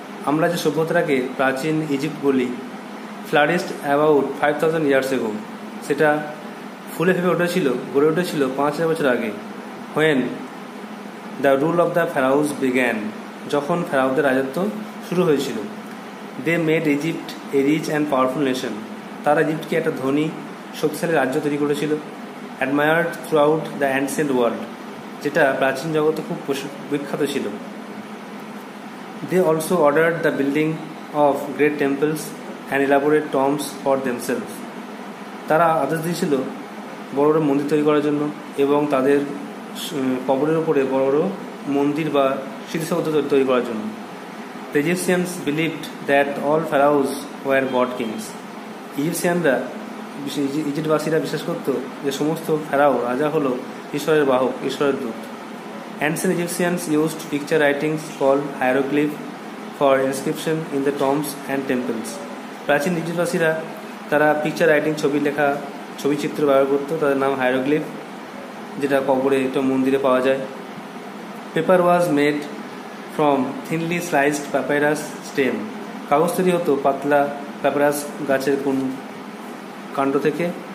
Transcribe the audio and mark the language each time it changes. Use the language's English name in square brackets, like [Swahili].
[Bangla] আমরা যে সভ্যতাকে প্রাচীন ইজিপ্ট বলি, [English] flourished about 5000 years ago. [Bangla] সেটা ফুলে ফেপে উঠেছিল, গড়ে উঠেছিল 5000 বছর আগে. [English] When the rule of the pharaohs began, [Bangla] যখন ফেরাউদের রাজত্ব শুরু হয়েছিল. [English] They made Egypt a rich and powerful nation. [Bangla] তারা ইজিপ্টকে একটা ধনী শক্তিশালী রাজ্য তৈরি করেছিল. [English] Admired throughout the ancient world, [Bangla] যেটা প্রাচীন জগতে খুব বিখ্যাত ছিল. [English] They also ordered the building of great temples and elaborate tombs for themselves. [Bangla] তারা আদেশ দিয়েছিল বড় বড় মন্দির তৈরি করার জন্য এবং তাদের কবরের উপরে বড় বড় মন্দির বা স্মৃতিসৌধ তৈরি করার জন্য. [English] The Egyptians believed that all pharaohs were god kings. [Bangla] ইজিপশিয়ানরা, ইজিপ্টবাসীরা বিশ্বাস করত যে সমস্ত ফেরাও রাজা হল ঈশ্বরের বাহক, ঈশ্বরের দূত. [English] Ancient Egyptians used picture writings called hieroglyph for inscription in the tombs and temples. [Bangla] প্রাচীন ইজিপ্টবাসীরা তারা পিকচার রাইটিং, ছবি লেখা, ছবি চিত্র ব্যবহার করত, তাদের নাম হায়ারোগ্লিফ, যেটা কবরে একটা মন্দিরে পাওয়া যায়. [English] Paper was made from thinly sliced papyrus stem. [Bangla] কাগজ তৈরি হতো পাতলা পেপারাস গাছের কোন কাণ্ড থেকে.